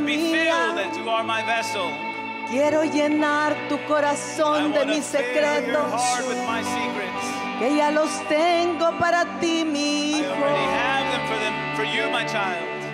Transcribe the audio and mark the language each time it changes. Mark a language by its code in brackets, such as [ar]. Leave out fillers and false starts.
[en] Just be filled, that you are my vessel. [es] Quiero llenar tu corazón de mis secretos. [en] I want to fill your heart with my secrets. [es] Que ya los tengo para ti, mi hijo. [en] I already have them for, them for you, my child.